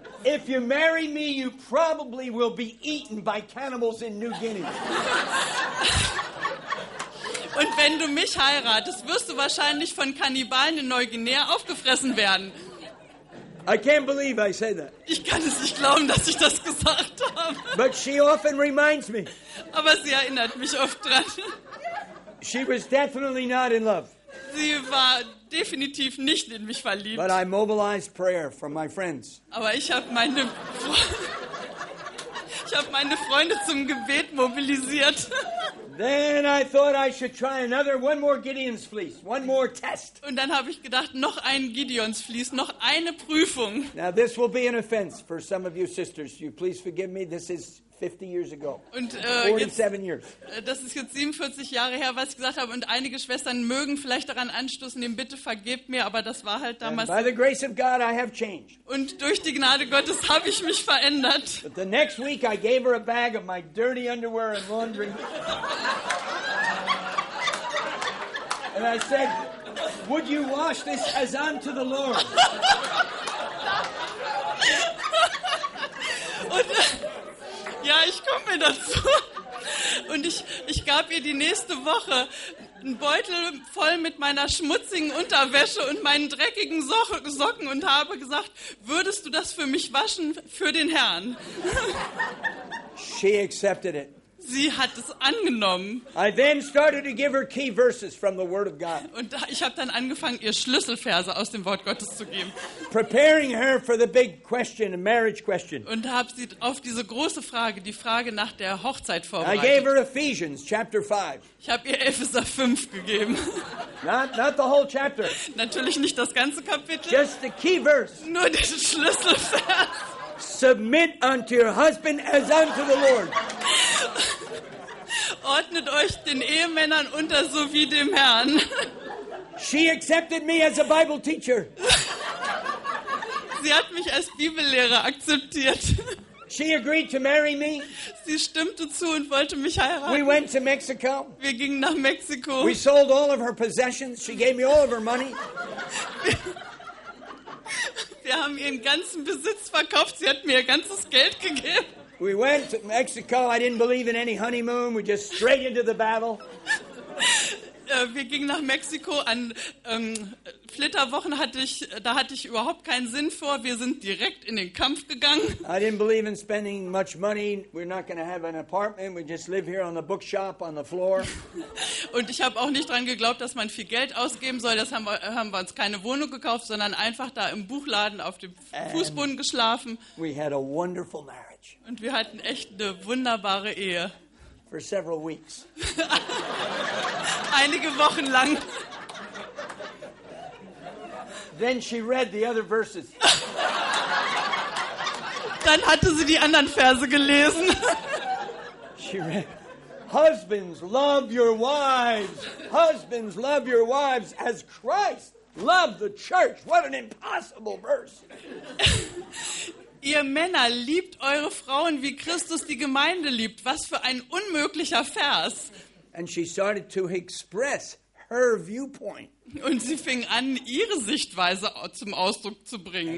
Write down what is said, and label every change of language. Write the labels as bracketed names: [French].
[English] If you marry me, you probably will be eaten by cannibals in New Guinea. [German] Und wenn du mich heiratest, wirst du wahrscheinlich von Kannibalen in Neuguinea aufgefressen werden. [English] I can't believe I said that. [German] Ich kann es nicht glauben, dass ich das gesagt habe. [English] But she often reminds me. [German] Aber sie erinnert mich oft dran. [English] She was definitely not in love. [German] Sie war definitiv nicht in mich verliebt. [English] But I mobilized prayer from my friends. [German] Aber ich habe meine Freunde zum Gebet mobilisiert. [English] Then I thought I should try one more Gideon's fleece, one more test. [German] Und dann habe ich gedacht, noch ein Gideon's fleece, noch eine Prüfung. [English] Now this will be an offense for some of you sisters. You please forgive me. This is 50 years ago. [German] Und [English] 47 years. [German] Das ist jetzt 47 Jahre her, was ich gesagt habe, und einige Schwestern mögen vielleicht daran anstoßen, nehmen bitte vergebt mir, aber das war halt damals. [English] And by the grace of God I have changed. [German] Und durch die Gnade Gottes habe ich mich verändert. [English] But the next week I gave her a bag of my dirty underwear and laundry. And I said, "Would you wash this as unto the Lord?" [German] Und ja, ich komme dazu. Und ich gab ihr die nächste Woche einen Beutel voll mit meiner schmutzigen Unterwäsche und meinen dreckigen Socken und habe gesagt, würdest du das für mich waschen für den Herrn? [English] She accepted it. [German] Sie hat es angenommen. [English] I then started to give her key verses from the Word of God. [German] Und ich habe dann angefangen, ihr Schlüsselverse aus dem Wort Gottes zu geben. [English] Preparing her for the big question, the marriage question. [German] Und habe sie auf diese große Frage, die Frage nach der Hochzeit vorbereitet. [English] I gave her Ephesians chapter 5. [German] Ich habe ihr Epheser 5 gegeben. [English] Not the whole chapter. [German] Natürlich nicht das ganze Kapitel. [English] Just the key verse. [German] Nur diesen Schlüsselvers. [English] Submit unto your husband as unto the Lord. [German] Ordnet euch den Ehemännern unter so wie dem Herrn. [English] She accepted me as a Bible teacher. [German] Sie hat mich als Bibellehrer akzeptiert. [English] She agreed to marry me. [German] Sie stimmte zu und wollte mich heiraten. [English] We went to Mexico. [German] Wir gingen nach Mexiko. [English] We sold all of her possessions. She gave me all of her money. [German] Wir haben ihren ganzen Besitz verkauft. Sie hat mir ihr ganzes Geld gegeben. [English] We went to Mexico. I didn't believe in any honeymoon. We just straight into the battle. [German] Wir gingen nach Mexiko. An Flitterwochen hatte ich überhaupt keinen Sinn vor. Wir sind direkt in den Kampf gegangen. [English] I didn't believe in spending much money. We're not going to have an apartment. We just live here on the bookshop on the floor. [German] Und ich habe auch nicht dran geglaubt, dass man viel Geld ausgeben soll. Das haben wir uns keine Wohnung gekauft, sondern einfach da im Buchladen auf dem Fußboden geschlafen. [English] We had a wonderful marriage. [German] Und wir hatten echt eine wunderbare Ehe. [English] For several weeks. [German] Einige Wochen lang. [English] Then she read the other verses. [German] Dann hatte sie die anderen Verse gelesen. [English] She read, "Husbands, love your wives. Husbands, love your wives as Christ loved the church." What an impossible verse. [German] Ihr Männer, liebt eure Frauen, wie Christus die Gemeinde liebt. Was für ein unmöglicher Vers. [English] And she started to express her viewpoint. [German] Und sie fing an, ihre Sichtweise zum Ausdruck zu bringen.